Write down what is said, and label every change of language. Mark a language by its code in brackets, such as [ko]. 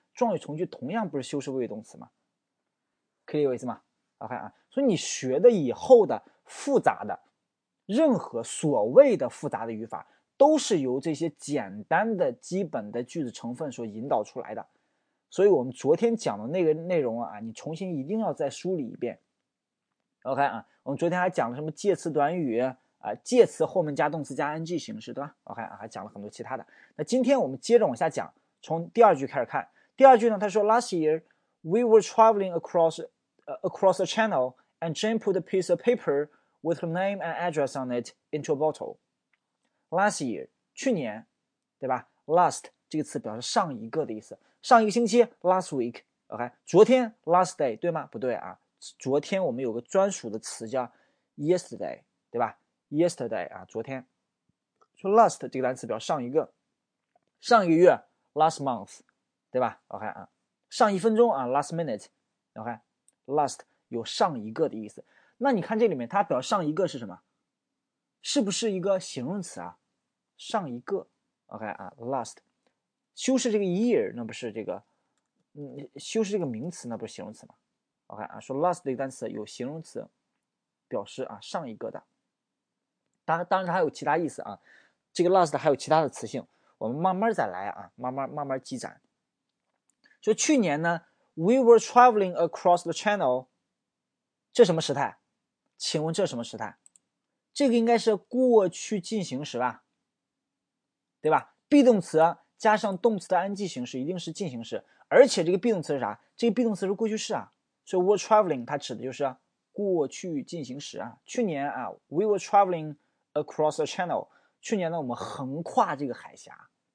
[zh] 状语从句同样不是修饰谓语动词吗？可以有意思吗 ？OK 啊，所以你学的以后的复杂的，任何所谓的复杂的语法，都是由这些简单的基本的句子成分所引导出来的。所以我们昨天讲的那个内容啊，你重新一定要再梳理一遍。 OK 啊，我们昨天还讲了什么介词短语。介词后面加动词加 ing 形式，对吧？ OK 啊，还讲了很多其他的。那今天我们接着往下讲，从第二句开始看。第二句呢，他说 [en] Last year we were traveling across the channel and Jane put a piece of paper with her name and address on it into a bottle. Last year [zh] 去年，对吧？ last 这个词表示上一个的意思，上一个星期 last week， OK， 昨天 last day 对吗？不对啊，昨天我们有个专属的词叫 yesterday， 对吧？ yesterday 啊，昨天。说 last 这个单词表示上一个，上一个月 last month， 对吧？ OK 啊，上一分钟啊 last minute， OK， last 有上一个的意思。那你看这里面它表示上一个是什么？是不是一个形容词啊？上一个 ，OK 啊 ，last， 修饰这个 year， 那不是这个，修饰这个名词，那不是形容词吗 ？OK 啊，说 last 这个单词有形容词，表示啊上一个的，当然它还有其他意思啊，这个 last 还有其他的词性，我们慢慢再来啊，慢慢积攒。说去年呢 ， [en] we were traveling across the channel， [zh] 这什么时态？请问这什么时态？这个应该是过去进行时吧，对吧？ be 动词加上动词的 ing 形式一定是进行时，而且这个 be 动词是啥？这个 be 动词是过去式啊，所以 were traveling 它指的就是过去进行时啊。去年啊 [en] we were traveling across the channel， [zh] 去年呢我们横跨这个海峡。